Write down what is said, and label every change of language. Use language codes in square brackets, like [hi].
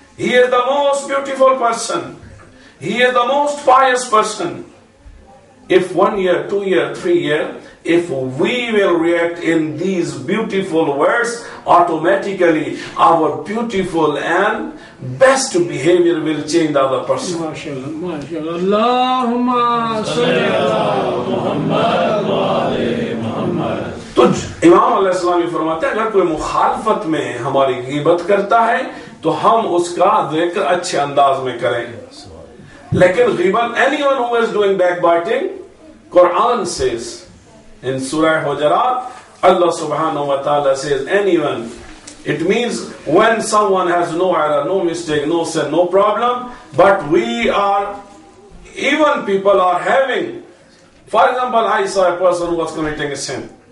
[en] He is the most beautiful person. He is the most pious person. If 1 year, 2 year, 3 year, if we will react in these beautiful words, automatically our beautiful and best behavior will change the other person. MashaAllah. [ur] امام علیہ السلام فرماتے ہیں اگر کوئی مخالفت میں ہماری غیبت کرتا ہے تو ہم اس کا ذکر اچھے انداز میں کریں. لیکن غیبت, [en] anyone who is doing backbiting, Quran says in سورہ حجرات, اللہ سبحانہ وتعالی says anyone, it means when someone has no error, no mistake, no sin, no problem, but we are, even people are having, for example, I saw a person who was committing a sin.